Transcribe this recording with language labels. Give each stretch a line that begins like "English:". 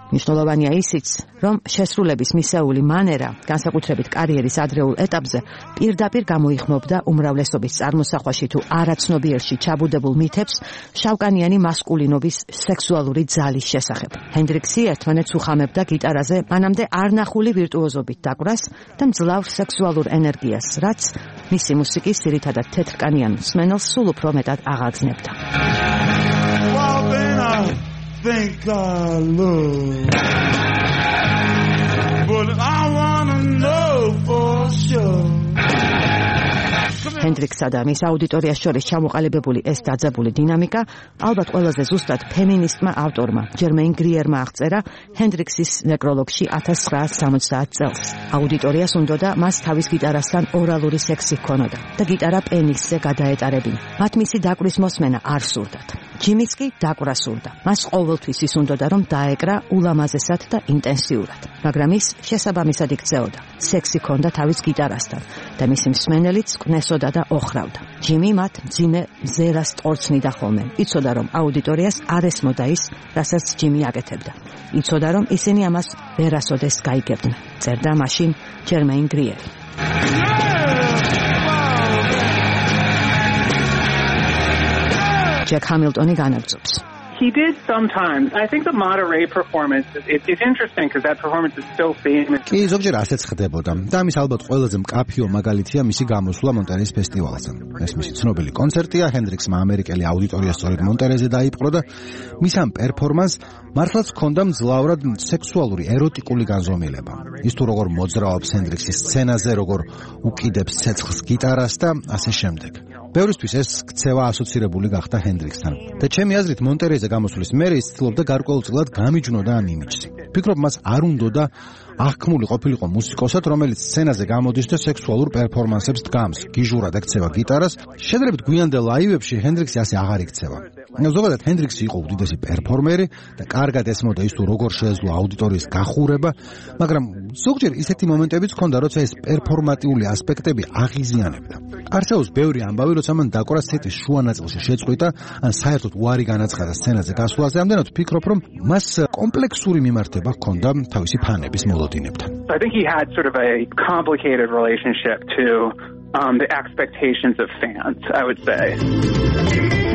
Georgian: მნიშვნელოვანია ისიც, რომ შესრულების მისეული მანერა, განსაკუთრებით კარიერის ადრეულ ეტაპზე, პირდაპირ გამოიხმობდა უმრავლესობის წარმოსახვაში თუ არაცნობიერში ჩაბუდებულ მითებს შავკანიანი მასკულინობის სექსუალური ძალის შესახებ. ჰენდრიქსი ერთმანეთს უხამებდა გიტარაზე მანამდე არნახული ვირტუოზობით დაკვრას და მძლავრ სექსუალურ ენერგიას, რაც მისი მუსიკის ძირითადად თეთრკანიან მსმენელს სულ უფრო მეტად აღაზნებდა.
English: Think I love, but I wanna know for sure.
Georgian: ჰენდრიქსსა და მის აუდიტორიას შორის ჩამოყალიბებული ეს დაძაბული დინამიკა ალბათ ყველაზე ზუსტად ფემინისტმა ავტორმა ჯერმეინ გრიერმა აღწერა ჰენდრიქსის ნეკროლოგში 1970 წელს. აუდიტორიას უნდოდა მას თავის გიტარასთან ორალური სექსი ჰქონოდა და გიტარა პენისზე გადაეტარებინა. მათ მისი დაკვრის მოსმენა არ სურდათ. ჯიმის კი დაკვრა სურდა. მას ყოველთვის ის უნდოდა რომ დაეკრა ულამაზესად და ინტენსიურად, მაგრამ ის შესაბამისად იქცეოდა. სექსი ჰქონდა თავის გიტარასთან და მისი მსმენელიც კნეს და ოხრავდა. ჯიმი მათ ძიმე ზერას ტორცნიდა ხოლმე. იცოდა რომ აუდიტორიას არ ესმოდა ის, რასაც ჯიმი აკეთებდა. იცოდა რომ ისინი ამას ვერასოდეს გაიგებდნენ. წერდა მაშინ ჯერმეინ გრიერი. ჯეკ ჰამილტონი განაგრძობს.
English: He did sometimes. I think the Monterey performance is interesting because that performance is still famous.
Georgian: კი, ზოგჯერ ასეც ხდებოდა. და ამის ალბათ ყველაზე მკაფიო მაგალითია მისი გამოსვლა მონტერეის ფესტივალზე. ეს მისი ცნობილი კონცერტია, ჰენდრიქსმა ამერიკელი აუდიტორია სწორედ მონტერეზე დაიპყრო და მის ამ პერფორმანსს მართლაც ჰქონდა მძლავრად სექსუალური ეროტიკული განზომილება. ის თუ როგორ მოძრაობს ჰენდრიქსი სცენაზე, როგორ უკიდებს ცეცხლს გიტარას და ასე შემდეგ. ბევრისთვის ეს ქცევა ასოცირებული გახდა ჰენდრიქსთან. და ჩემი აზრით, მონტერეზე გამოსვლის მერე ის ცდილობდა გარკვეულწილად გამიჯნოდა ამ იმიჯს. ფიქრობ, მას არ უნდოდა აღქმული ყოფილიყო მუსიკოსად, რომელიც სცენაზე გამოდის და სექსუალურ პერფორმანსებს დგამს, გიჟურად ექცევა გიტარას. შედარებით გვიანდელ ლაივებში ჰენდრიქსი ასე აღარ იქცევა. ზოგადად, ჰენდრიქსი იყო უდიდესი პერფორმერი და კარგად ესმოდა ის თუ როგორ შეეძლო აუდიტორიის გახურება, მაგრამ ზოგჯერ ისეთი მომენტებიც ჰქონდა, როცა ეს პერფორმატიული ასპექტები აღიზიანებდა. არსებობს ბევრი ამბავი, როცა მან დაკვრა სეტის შუა ნაწილში შეწყვიტა, ან საერთოდ უარი განაცხადა სცენაზე გასვლაზე, ამდენად ვფიქრობ, რომ მას კომპლექსური მიმართება ჰქონდა თავისი ფანების მოლოდინებთან.
English: I think he had sort of a complicated relationship to the expectations of fans, I would say.